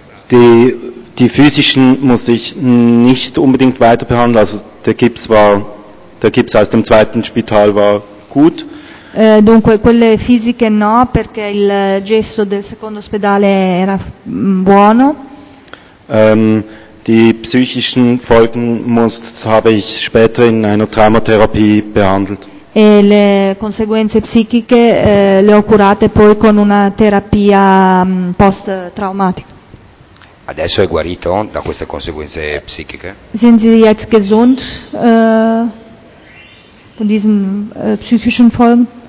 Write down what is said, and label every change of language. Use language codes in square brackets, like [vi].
[de] Die physischen musste ich nicht unbedingt weiter behandeln. Also der Gips aus dem zweiten Spital war gut. [it] Dunque quelle fisiche no, perché il gesso del secondo ospedale era buono. [de] Die psychischen Folgen habe ich später in einer Traumatherapie behandelt. [it] E le conseguenze psichiche le ho curate poi con una terapia post-traumatica. Adesso è guarito da queste conseguenze psichiche? [de] Sind Sie jetzt gesund von diesen psychischen Folgen?